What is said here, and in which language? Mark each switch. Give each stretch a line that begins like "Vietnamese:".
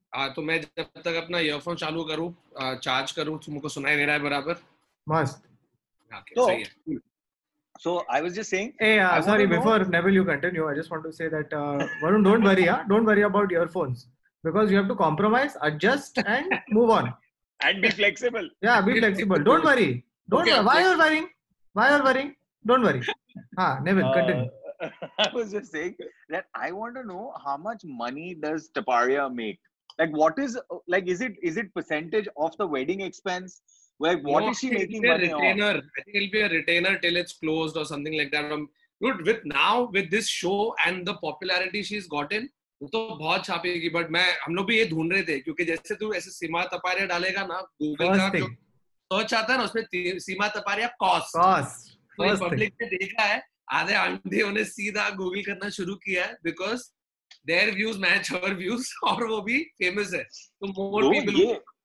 Hindi: हाँ तो मैं जब तक अपना earphone चालू करूँ charge करूँ तुमको सुनाई दे रहा है बराबर?
English: Must.
Hindi: तो okay,
English: so I was just saying. Hey sorry before Neville you continue I just want to say that Varun don't worry about earphones because you have to compromise adjust and move on. And be flexible. Yeah, be flexible. Don't worry. Why are you worrying? Don't worry. Neville, continue. I was just saying that I want to know how much money does Taparia make? Like, what is, like, is it percentage of the wedding expense? Like, what is she making money retainer. Off? I think it'll be a retainer till it's closed or something like that. Dude, with this show and the popularity she's gotten,
Hindi: तो बहुत छापेगी, but मैं हम लोग भी ये ढूंढ रहे थे क्योंकि जैसे तू ऐसे सीमा तपारिया डालेगा ना गूगल का जो सर्च आता है ना उसमें सीमा तपारिया कॉस्ट, पब्लिक ने देखा है आधे आंधे ने सीधा गूगल करना शुरू किया है
English: because their views match हर views
Hindi: और वो भी फेमस है तो
English: More people.